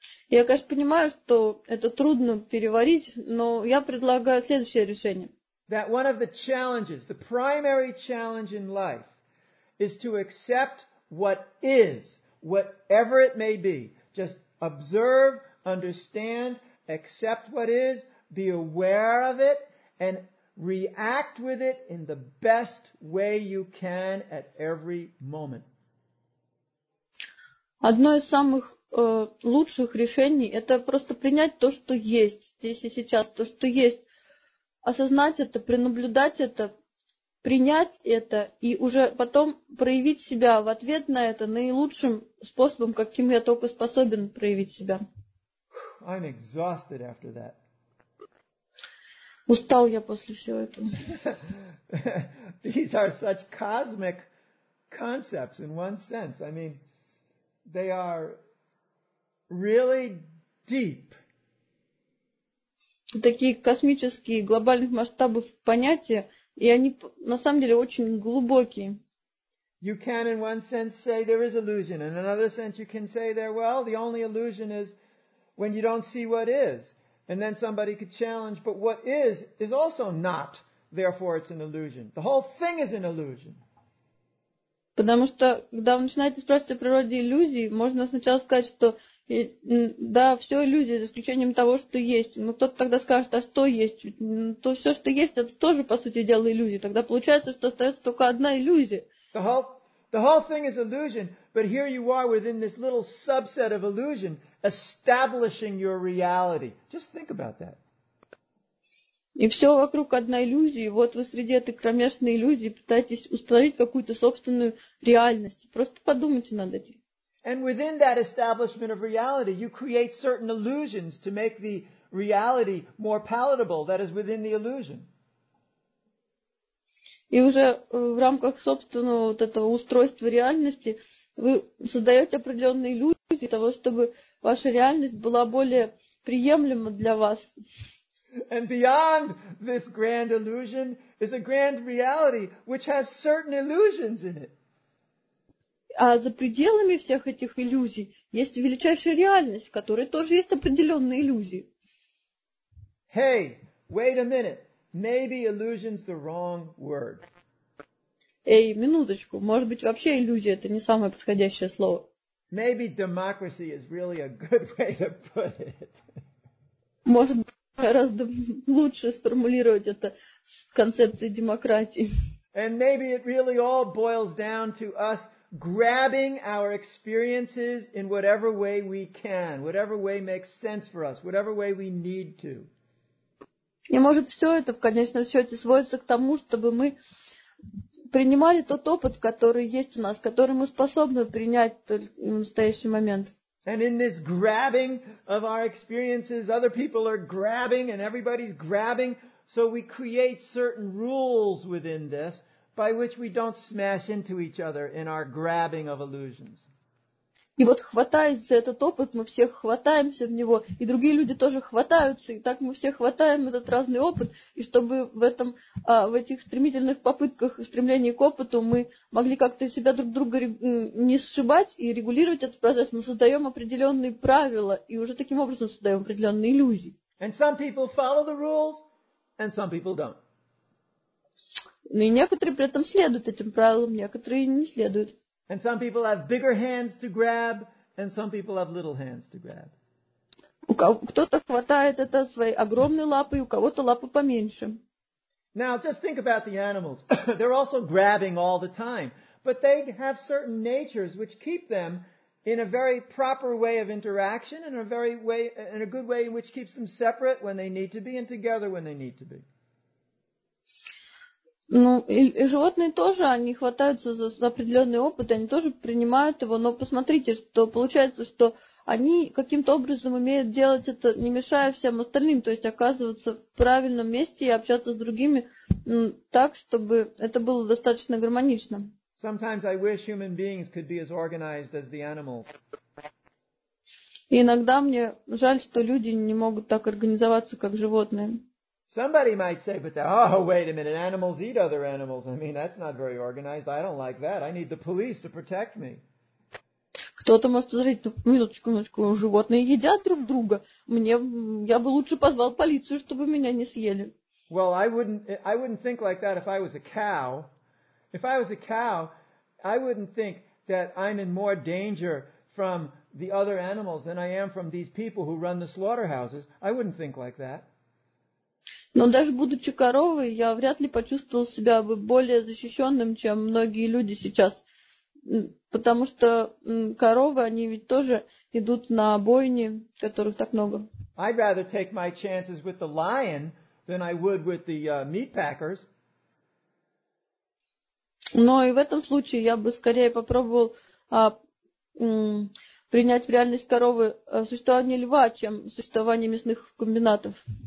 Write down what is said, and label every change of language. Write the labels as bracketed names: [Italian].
[Russian] Я, конечно, понимаю, что это трудно переварить, но я предлагаю следующее решение. [English] That one of the challenges, the primary challenge in life, is to accept what is, whatever it may be. Just observe, understand, accept what is, be aware of it, and react with it in the best way you can at every moment. [Russian] Одно из самых лучших решений – это просто принять то, что есть здесь и сейчас, то, что есть. Осознать это, пренаблюдать это, принять это и уже потом проявить себя в ответ на это наилучшим способом, каким я только способен проявить себя. [English] I'm exhausted after that. [Russian] Устал я после всего этого. [English] These are such cosmic concepts in one sense. I mean, they are really deep. [Russian] Такие космические, глобальных масштабов понятия, и они на самом деле очень глубокие. [English] You can in one sense say there is illusion. In another sense you can say there, well, the only illusion is when you don't see what is. And then somebody could challenge, but what is also not, therefore it's an illusion. The whole thing is an illusion. [Russian] Потому что, когда вы начинаете спрашивать о природе иллюзии, можно сначала сказать, что да, все иллюзия, за исключением того, что есть. Но кто-то тогда скажет, а что есть? То все, что есть, это тоже, по сути дела, иллюзия. Тогда получается, что остается только одна иллюзия. [English] The whole, The whole thing is illusion, but here you are within this little subset of illusion, establishing your reality. Just think about that. [Russian] И все вокруг одна иллюзия, и вот вы среди этой кромешной иллюзии пытаетесь установить какую-то собственную реальность. Просто подумайте над этим. [English] And within that establishment of reality, you create certain illusions to make the reality more palatable, that is within the illusion. [Russian] И уже в рамках собственного вот этого устройства реальности вы создаете определенные иллюзии того, чтобы ваша реальность была более приемлема для вас. [English] And beyond this grand illusion is a grand reality which has certain illusions in it. [Russian] А за пределами всех этих иллюзий есть величайшая реальность, в которой тоже есть определенные иллюзии. [English] Hey, wait a minute. Maybe illusion's the wrong word. [Russian] Эй, минуточку. Может быть, вообще иллюзия — это не самое подходящее слово. [English] Maybe democracy is really a good way to put it. [Russian] Может быть, гораздо лучше сформулировать это с концепцией демократии. [English] And maybe it really all boils down to us grabbing our experiences in whatever way we can, whatever way makes sense for us, whatever way we need to. [Russian] И может, все это в конечном счете сводится к тому, чтобы мы принимали тот опыт, который есть у нас, который мы способны принять в настоящий момент. [English] And in this grabbing of our experiences, other people are grabbing and everybody's grabbing. So we create certain rules within this by which we don't smash into each other in our grabbing of illusions. [Russian] И вот хватаясь за этот опыт, мы все хватаемся в него, и другие люди тоже хватаются, и так мы все хватаем этот разный опыт, и чтобы в этом, в этих стремительных попытках стремления к опыту мы могли как-то себя друг друга не сшибать и регулировать этот процесс, мы создаем определенные правила, и уже таким образом создаем определенные иллюзии. [English] And some people follow the rules, and some people don't. [Russian] Ну и некоторые при этом следуют этим правилам, некоторые не следуют. [English] And some people have bigger hands to grab, and some people have little hands to grab. [Russian] Кто-то хватает это своей огромной лапой, у кого-то лапа поменьше. [English] Now, just think about the animals. They're also grabbing all the time. But they have certain natures which keep them in a very proper way of interaction, and in a good way which keeps them separate when they need to be, and together when they need to be. [Russian] Ну, и животные тоже, они хватаются за определенный опыт, они тоже принимают его, но посмотрите, что получается, что они каким-то образом умеют делать это, не мешая всем остальным, то есть оказываться в правильном месте и общаться с другими так, чтобы это было достаточно гармонично. [English] Sometimes I wish human beings could be as organized as the animals. [Russian] И иногда мне жаль, что люди не могут так организоваться, как животные. [English] Somebody might say, but oh, wait a minute, animals eat other animals. I mean, that's not very organized. I don't like that. I need the police to protect me. [Russian] Кто-то может сказать, ну, минуточку, животные едят друг друга. Я бы лучше позвал полицию, чтобы меня не съели. [English] Well, I wouldn't think like that if I was a cow. If I was a cow, I wouldn't think that I'm in more danger from the other animals than I am from these people who run the slaughterhouses. I wouldn't think like that. [Russian] Но даже будучи коровой, я вряд ли почувствовал себя бы более защищенным, чем многие люди сейчас. Потому что коровы, они ведь тоже идут на бойни, которых так много. [English] I'd rather take my chances with the lion than I would with the meatpackers. [Russian] Но и в этом случае я бы скорее попробовал принять в реальность коровы существование льва, чем существование мясных комбинатов.